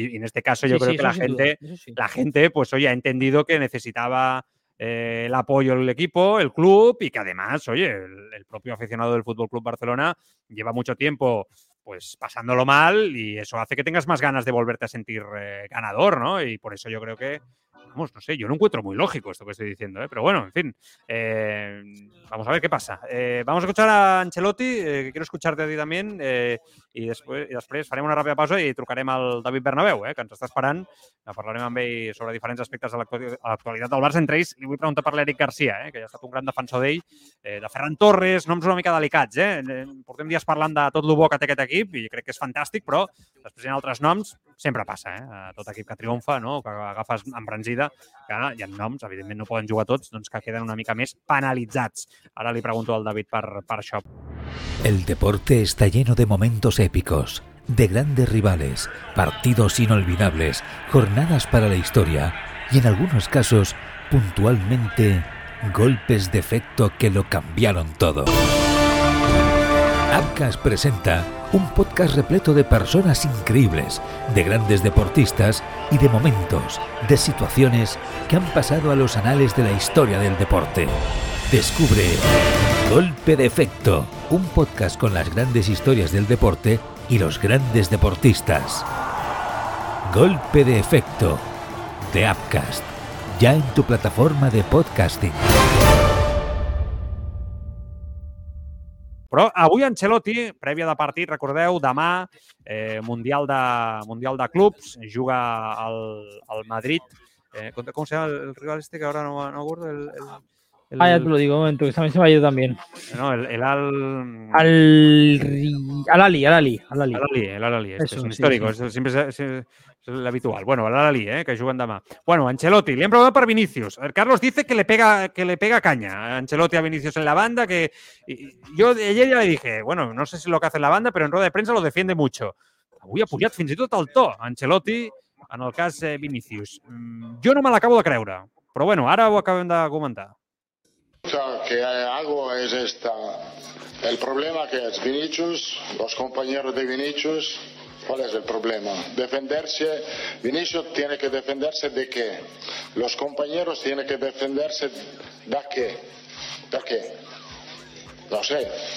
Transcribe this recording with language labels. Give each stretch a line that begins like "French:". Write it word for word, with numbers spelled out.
Spanish: Y, y en este caso yo sí, creo sí, que la gente, sí. la gente, pues, oye, ha entendido que necesitaba eh, el apoyo del equipo, el club, y que además, oye, el, el propio aficionado del F C Barcelona lleva mucho tiempo pues pasándolo mal, y eso hace que tengas más ganas de volverte a sentir eh, ganador, ¿no? Y por eso yo creo que, vamos, no sé, yo lo encuentro muy lógico esto que estoy diciendo, ¿eh? Pero bueno, en fin, eh, vamos a ver qué pasa. Eh, vamos a escuchar a Ancelotti, eh, que quiero escucharte a ti también,
Catalan: eh, i, després, i després farem una ràpida pausa i trucarem al David Bernabéu, eh, que ens està esperant, parlarem amb ell sobre diferents aspectes de l'actualitat del Barça, entre ells li vull preguntar per l'Eric Garcia, eh, que ja ha estat un gran defensor d'ell, eh, de Ferran Torres, noms una mica delicats, eh? Portem dies parlant de tot lo bo que té aquest equip i crec que és fantàstic, però després hi ha altres noms, sempre passa, eh? A tot equip que triomfa, no? Que agafes amb branzida, que hi ha noms, evidentment no poden jugar tots, doncs que queden una mica més penalitzats. Ara li pregunto al David per, per això.
Spanish: El deporte está lleno de momentos épicos, de grandes rivales, partidos inolvidables, jornadas para la historia y en algunos casos, puntualmente, golpes de efecto que lo cambiaron todo. Apcas presenta un podcast repleto de personas increíbles, de grandes deportistas y de momentos, de situaciones que han pasado a los anales de la historia del deporte. Descubre Golpe de Efecto, un podcast con las grandes historias del deporte y los grandes deportistas. Golpe de Efecto, de Appcast, ya en tu plataforma de podcasting.
Catalan: Però avui Ancelotti, prèvia de partit, recordeu, demà, eh, Mundial de, mundial de Clubs, juga al, al Madrid.
Spanish: Eh, ¿Cómo se llama el rival este que ahora no me acuerdo? El, el, el, ah, ya te lo digo, un momento, que también se me ha ido también. No, el, el Al... Al... Al-Ali, Al-Ali.
Catalan: Al-Ali, Al-Ali, Al-Ali
Spanish: este, Eso,
Catalan: és un sí, històric, sí. Sempre és, és l'habitual. Bueno, Al-Ali, eh, que juguen demà. Bueno, Ancelotti, li hem preguntat per Vinicius.
Spanish: Carlos dice que le pega, que le pega caña. Ancelotti a Vinicius en la banda, que... Yo ayer ya le dije, bueno, no sé si lo que hace en la banda, pero en rueda de prensa lo defiende mucho.
Catalan: Avui ha pujat fins i tot el to, Ancelotti, en el cas Vinicius. Jo no me l'acabo de creure, però bueno, ara ho acabem de comentar.
Spanish: Que algo es esta el problema que es Vinicius, los compañeros de Vinicius, ¿cuál es el problema? Defenderse, Vinicius tiene que defenderse de qué, los compañeros tienen que defenderse de qué, Perché? No sé.